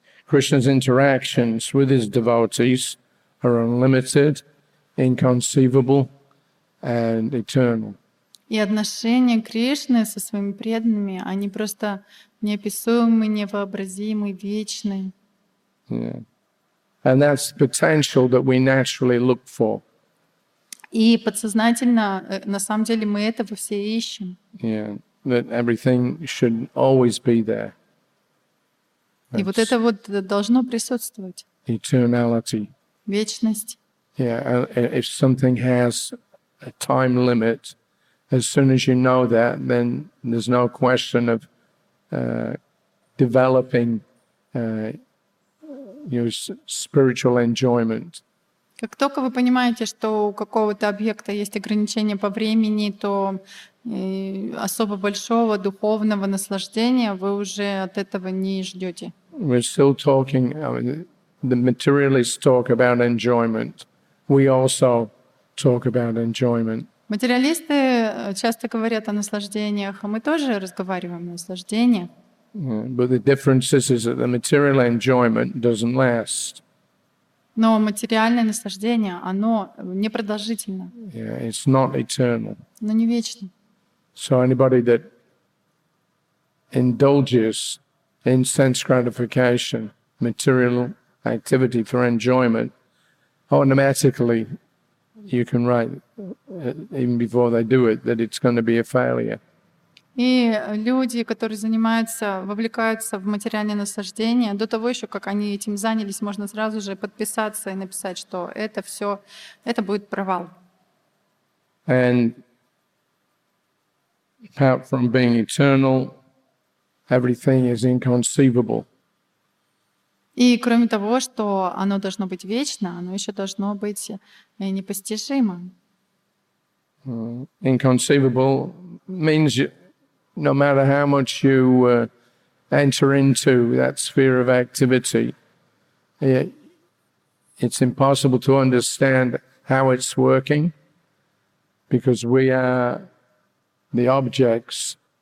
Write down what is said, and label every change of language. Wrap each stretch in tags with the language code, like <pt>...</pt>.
<en>Krishna's interactions with his devotees are unlimited, inconceivable, and eternal.</en> <ru>И отношения Кришны со своими преданными, они просто неописуемы, невообразимы, вечны.</ru> <en>And that's the potential that we naturally look for.</en> <ru>И подсознательно, на самом деле, мы этого все ищем.</ru> <en>Yeah. That everything should always be there.</en> <ru>И вот это вот должно присутствовать.</ru> <en>Eternality.</en> <ru>Вечность.</ru> <en>Yeah, if something has a time limit, as soon as you know that, then there's no question of developing your spiritual enjoyment.</en> <ru>Как только вы понимаете, что у какого-то объекта есть ограничение по времени, то особо большого духовного наслаждения вы уже от этого не ждете.</ru> <en>We're still talking, the materialists talk about enjoyment. We also talk about enjoyment.</en> <ru>Материалисты часто говорят о наслаждениях, а мы тоже разговариваем о наслаждениях.</ru> <en>But the difference is that the material enjoyment doesn't last.</en> <ru>Но материальное наслаждение, оно непродолжительно.</ru> <en>Yeah, it's not eternal.</en> <ru>Но не вечно.</ru> <en>So anybody that indulges in sense gratification, material activity for enjoyment, automatically you can write, even before they do it, that it's going to be a failure.</en> <ru>И люди, которые занимаются, вовлекаются в материальное наслаждение, до того еще, как они этим занялись, можно сразу же подписаться и написать, что это все, это будет провал.</ru> <en>And apart from being eternal, everything is inconceivable.</en> <ru>И кроме того, что оно должно быть вечно, оно еще должно быть непостижимо.</ru> <en>Inconceivable means no matter how much you enter into that sphere of activity, it's impossible to understand how it's working, because we are the objects</en>